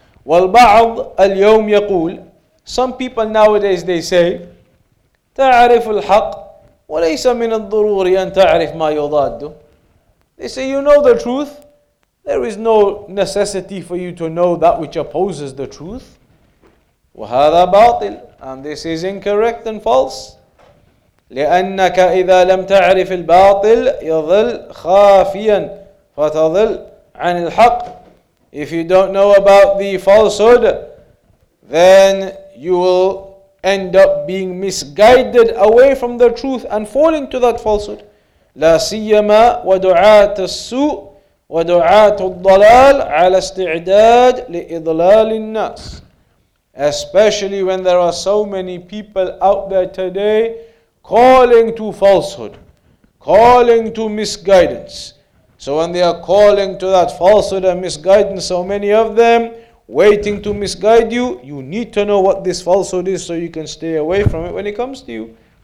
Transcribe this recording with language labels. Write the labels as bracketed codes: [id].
[ar] وَالْبَعْضُ الْيَوْمِ يَقُولُ. [en] Some people nowadays they say, [ar] تَعْرِفُ الْحَقِّ وَلَيْسَ مِنَ الضُّرُورِ أَنْ تَعْرِفْ مَا يُضَادُّ. [en] They say, you know the truth. There is no necessity for you to know that which opposes the truth. [ar] وَهَذَا بَاطِلُ. [en] And this is incorrect and false. [ar] لأنك إذا لم تعرف الباطل يظل خافيا فتظل عن الحق. [en] If you don't know about the falsehood, then you will end up being misguided away from the truth and fall into that falsehood. [ar] لا سيما ودعاة السوء ودعاة الضلال على استعداد لإضلال الناس. [en] Especially when there are so many people out there today calling to falsehood, calling to misguidance. So when they are calling to that falsehood and misguidance, so many of them waiting to misguide you, you need to know what this falsehood is so you can stay away from it when it comes to you.